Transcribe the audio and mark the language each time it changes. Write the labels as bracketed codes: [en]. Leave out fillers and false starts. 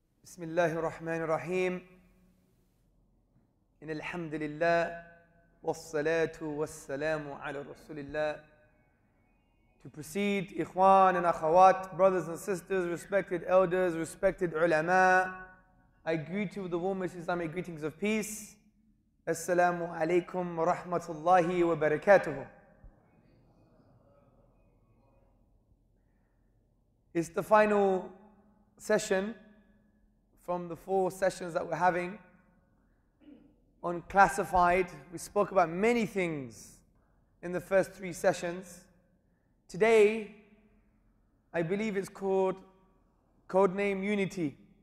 [ar] بسم الله الرحمن الرحيم إن الحمد لله والصلاة والسلام على رسول الله. [en] To proceed, إخوان and أخوات, brothers and sisters, respected elders, respected علماء, I greet you with the warmest Islamic greetings of peace. [ar] السلام عليكم ورحمة الله وبركاته. [en] It's the final session from the four sessions that we're having on classified. We spoke about many things in the first three sessions. Today, I believe it's called Codename Unity.